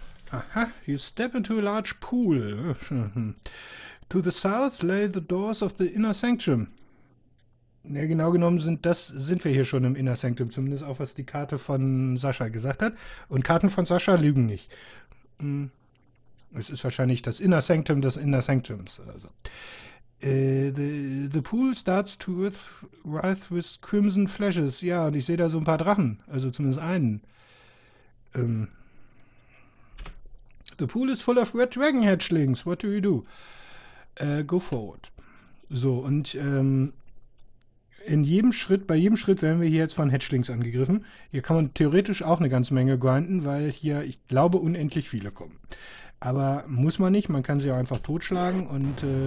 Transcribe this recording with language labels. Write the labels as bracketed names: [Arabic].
[English] Aha. You step into a large pool. To the south lay the doors of the inner sanctum. [German] Ja, genau genommen sind wir hier schon im Inner Sanctum, zumindest auch was die Karte von Sascha gesagt hat. Und Karten von Sascha lügen nicht. Es ist wahrscheinlich das Inner Sanctum des Inner Sanctums. Also. [English] The pool starts to writhe with crimson flashes. [German] Ja, und ich sehe da so ein paar Drachen. Also zumindest einen. [English] The pool is full of red dragon hatchlings. What do you do? Go forward. [German] So, und in jedem Schritt, bei jedem Schritt werden wir hier jetzt von Hatchlings angegriffen. Hier kann man theoretisch auch eine ganze Menge grinden, weil hier, ich glaube, unendlich viele kommen. Aber muss man nicht, man kann sie auch einfach totschlagen und